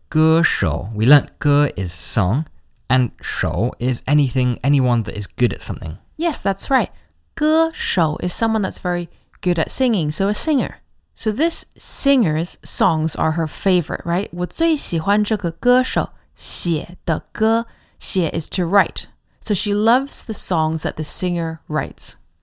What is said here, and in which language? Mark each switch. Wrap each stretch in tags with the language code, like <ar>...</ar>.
<en>歌手, we learned 歌 is song, and 手 is anything, anyone that is good at something. Yes, that's right. 歌手 is someone that's very good at singing, so a singer. So this singer's songs are her favorite, right?</en> <zh>我最喜欢这个歌手写的歌,</zh> <en>写 is to write. So she loves the songs that the singer writes.</en>